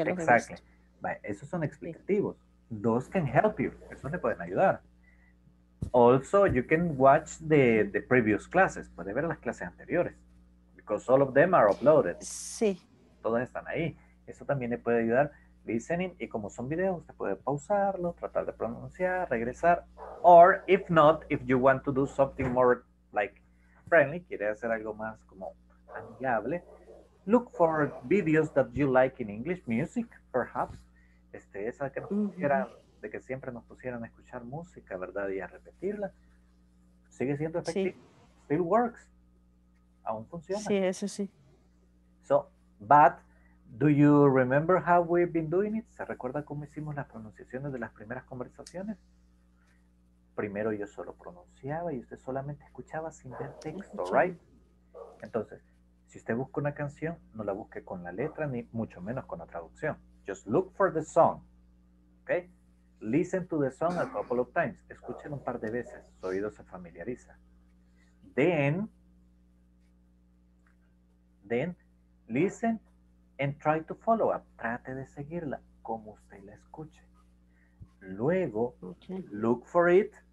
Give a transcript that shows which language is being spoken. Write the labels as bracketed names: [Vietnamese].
[Spanish] exactly. Vale, esos son explicativos. Sí. [English] Those can help you. [Spanish] Esos le pueden ayudar. [English] Also, you can watch the previous classes. [Spanish] Puede ver las clases anteriores. [English] Because all of them are uploaded. [Spanish] Sí. Todas están ahí. Eso también le puede ayudar. Listening. Y como son videos, usted puede pausarlo, tratar de pronunciar, regresar. [English] Or, if not, if you want to do something more like... friendly, [Spanish] quiere hacer algo más como amigable. [English] Look for videos that you like in English, music, perhaps. [Spanish] Esa que nos pusieran, de que siempre nos pusieran a escuchar música, ¿verdad? Y a repetirla. Sigue siendo efectivo. Sí. [English] Still works. [Spanish] Aún funciona. Sí, eso sí. [English] So, but, do you remember how we've been doing it? [Spanish] ¿Se recuerda cómo hicimos las pronunciaciones de las primeras conversaciones? Primero yo solo pronunciaba y usted solamente escuchaba sin ver texto, ¿right? Entonces, si usted busca una canción, no la busque con la letra ni mucho menos con la traducción. [English] Just look for the song, ¿ok? Listen to the song a couple of times. [Spanish] Escúchelo un par de veces, su oído se familiariza. [English] Then, listen and try to follow up. [Spanish] Trate de seguirla como usted la escuche. Luego, [English] look for it.